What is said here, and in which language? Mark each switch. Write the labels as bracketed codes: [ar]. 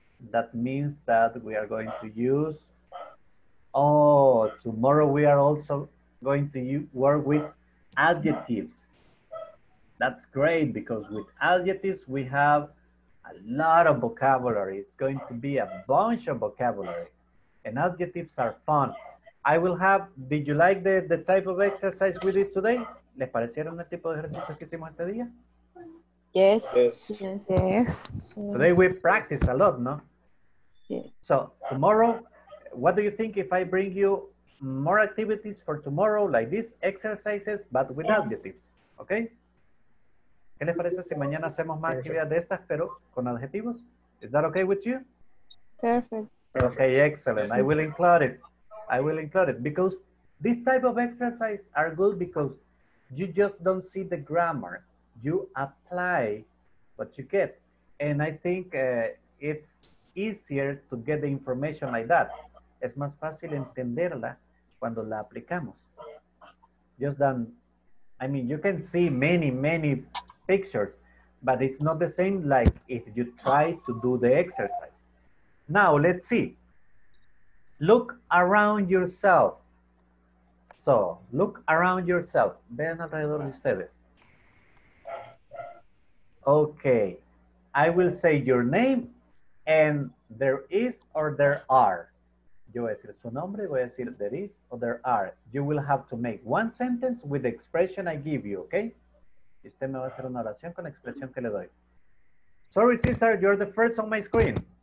[en] That means that we are going to use, oh, tomorrow we are also going to work with adjectives. That's great, because with adjectives we have a lot of vocabulary. It's going to be a bunch of vocabulary. And adjectives are fun. I will have, did you like the type of exercise we did today? [es] ¿Les parecieron el tipo de ejercicios que hicimos este día? [en] Yes. Yes. Today we practice a lot, no? Yes. So tomorrow, what do you think if I bring you more activities for tomorrow, like these exercises, but with adjectives, okay? [es] ¿Qué les parece si mañana hacemos más actividades de estas, pero con adjetivos? [en] Is that okay with you? Perfect. Okay, excellent. I will include it. I will include it because this type of exercise are good because you just don't see the grammar. You apply what you get. And I think it's easier to get the information like that. [es] Es más fácil entenderla cuando la aplicamos. [en] Just than, I mean, you can see many, many pictures, but it's not the same like if you try to do the exercise. Now, let's see. Look around yourself. So, look around yourself. [es] Vean alrededor de ustedes. [en] Okay. I will say your name and there is or there are. [es] Yo voy a decir [en] su nombre, voy a decir there is or there are. You will have to make one sentence with the expression I give you, okay? [es] Y usted me va a hacer una oración con la expresión que le doy. [en] Sorry, Cesar, you're the first on my screen.